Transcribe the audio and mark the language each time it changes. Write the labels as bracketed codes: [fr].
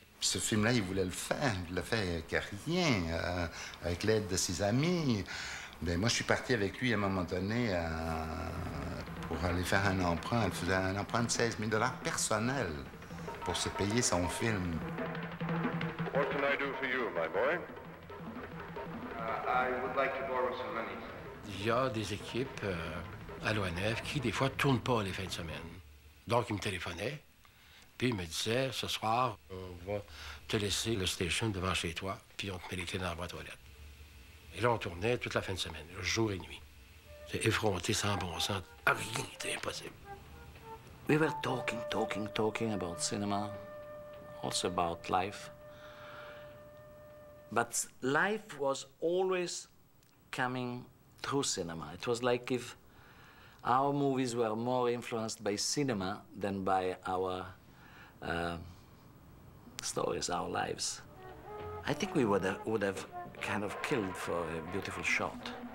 [fr] Ce film-là, il voulait le faire. Il l'a fait avec rien, avec l'aide de ses amis. Mais moi, je suis parti avec lui à un moment donné pour aller faire un emprunt. Il faisait un emprunt de 16 000 $ personnel pour se payer son film. [en] What can I do for you, my boy? I would like to borrow some money. [fr] Il y a des équipes à l'ONF qui, des fois, ne tournent pas les fins de semaine. Donc, il me téléphonait. Puis il me disait, ce soir, on va te laisser le station devant chez toi, puis on te met les clés dans la boîte aux lettres. Et là, on tournait toute la fin de semaine, jour et nuit. C'est effronté, sans bon sens. Rien n'était impossible. [en] We were talking about cinema, also about life. But life was always coming through cinema. It was like if our movies were more influenced by cinema than by our stories, our lives. I think we would have kind of killed for a beautiful shot.